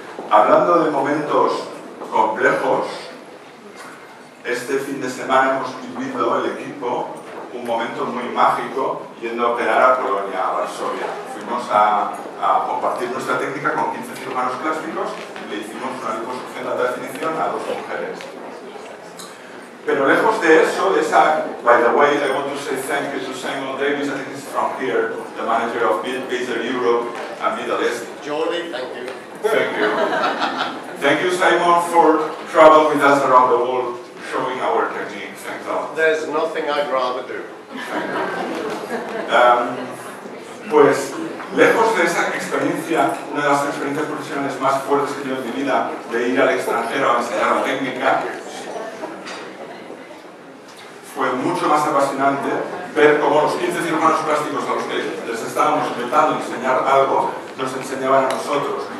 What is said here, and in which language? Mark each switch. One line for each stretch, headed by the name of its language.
Spanish: Hablando de momentos complejos, este fin de semana hemos vivido el equipo un momento muy mágico yendo a operar a Polonia, a Varsovia. Fuimos a compartir nuestra técnica con 15 cirujanos plásticos y le hicimos una liposucción de alta definición a dos mujeres. Pero lejos de eso, de esa,
English: by the way, I want to say thank you to Simon Davis, I think he's from here, the manager of Bitter Europe and Middle East. Jordi, thank you. Thank you. Thank you, Simon, for traveling with us around the world, showing our technique. Thanks a lot. There's nothing I'd rather do.
Spanish: Pues, lejos de esa experiencia, una de las experiencias profesionales más fuertes que he tenido en mi vida, de ir al extranjero a enseñar la técnica, fue mucho más apasionante ver cómo los 15 cirujanos plásticos a los que les estábamos intentando enseñar algo, nos enseñaban a nosotros.